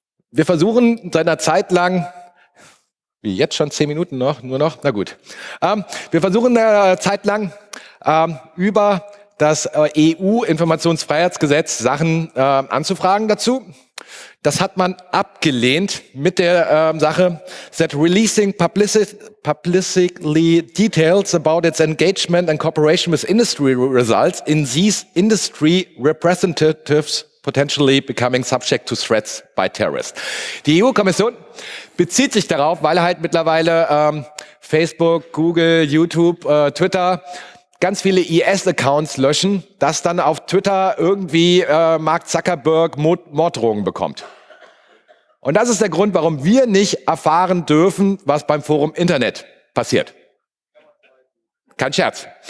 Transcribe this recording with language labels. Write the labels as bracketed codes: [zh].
[de] Wir versuchen seit einer Zeit lang, wie jetzt schon 10 Minuten noch, nur noch, na gut. Wir versuchen eine Zeit lang über das EU-Informationsfreiheitsgesetz Sachen anzufragen dazu. Das hat man abgelehnt mit der Sache, [en] that releasing publicly details about its engagement and cooperation with industry results in these industry representatives potentially becoming subject to threats by terrorists. [de] Die EU-Kommission bezieht sich darauf, weil halt mittlerweile Facebook, Google, YouTube, Twitter ganz viele IS-Accounts löschen, dass dann auf Twitter irgendwie Mark Zuckerberg Morddrohungen bekommt. Und das ist der Grund, warum wir nicht erfahren dürfen, was beim Forum Internet passiert. Kein Scherz.